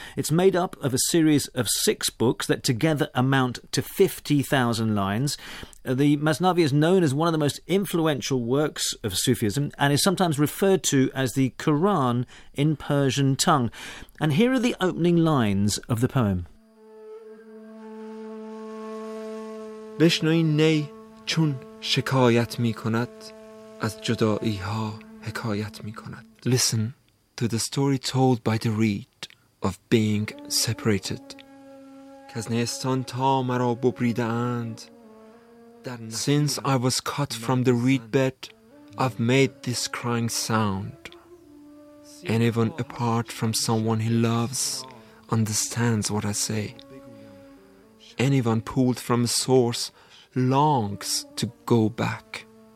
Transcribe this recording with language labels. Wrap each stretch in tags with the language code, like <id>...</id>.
<en>It's made up of a series of 6 books that together amount to 50,000 lines. The Masnavi is known as one of the most influential works of Sufism and is sometimes referred to as the Quran in Persian tongue. And here are the opening lines of the poem.</en> <fa>بشنوی نی چون شکایت می کند از جدائی ها حکایت می کند.</fa> <en>Listen to the story told by the reed of being separated.</en> <fa>کز نیستان تا مرا ببریده اند.</fa> <en>Since I was cut from the reed bed, I've made this crying sound. Anyone apart from someone he loves understands what I say. Anyone pulled from a source longs to go back.</en>